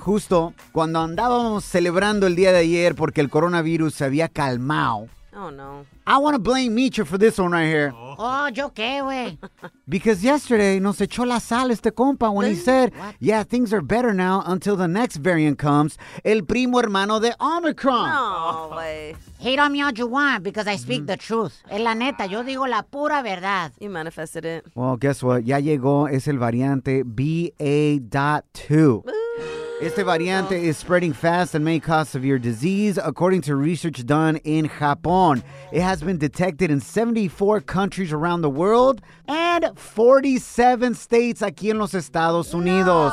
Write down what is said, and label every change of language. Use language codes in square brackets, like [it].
[es] Justo cuando andábamos celebrando el día de ayer porque el coronavirus se había calmado. [en] Oh, no. I want to blame Micho for this one right here. [es] Oh, yo qué, güey. [en] Because yesterday [es] nos echó la sal este compa [en] when he said, yeah, things are better now until the next variant comes, [es] el primo hermano de Omicron. No, güey. [en] Hate on me all you want because I speak the truth. [es] En la neta, yo digo la pura verdad. [en] You manifested it. Well, guess what? [es] Ya llegó, es el variante BA.2. Este variante [en] is spreading fast and may cause severe disease, according to research done in Japón. It has been detected in 74 countries around the world and 47 states [es] aquí en los Estados Unidos.